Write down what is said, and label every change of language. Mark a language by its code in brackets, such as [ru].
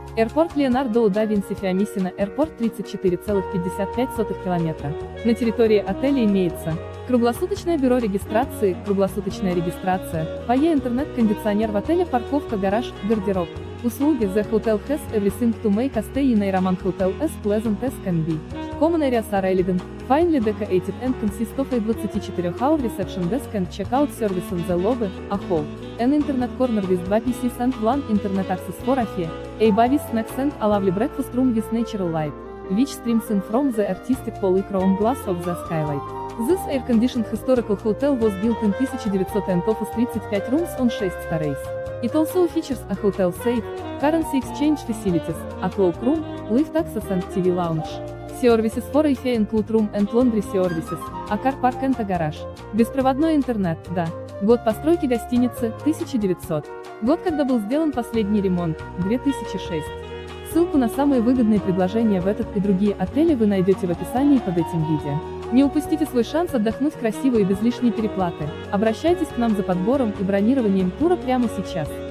[ru] Аэропорт Леонардо да Винси Фиамиссино, аэропорт 34,55 км. На территории отеля имеется круглосуточное бюро регистрации, круглосуточная регистрация, фойе, интернет, кондиционер в отеле, парковка, гараж, гардероб. Услуги [en] The Hotel has everything to make a stay in a Roman hotel as pleasant as can be. Common areas are elegant, finely decorated and consist of a 24-hour reception desk and check-out service in the lobby, a hall, an internet corner with 2 PCs and 1 internet access for a fee, a bar with snacks and a lovely breakfast room with natural light, which streams in from the artistic polychrome chrome glass of the skylight. This air-conditioned historical hotel was built in 1900 and offers 35 rooms on 6 stories. It also features a hotel safe, currency exchange facilities, a cloakroom, lift access and TV lounge. Services for a fee include room and laundry services, a car park and a garage. [ru] Беспроводной интернет, да. Год постройки гостиницы – 1900. Год, когда был сделан последний ремонт – 2006. Ссылку на самые выгодные предложения в этот и другие отели вы найдете в описании под этим видео. Не упустите свой шанс отдохнуть красиво и без лишней переплаты. Обращайтесь к нам за подбором и бронированием тура прямо сейчас.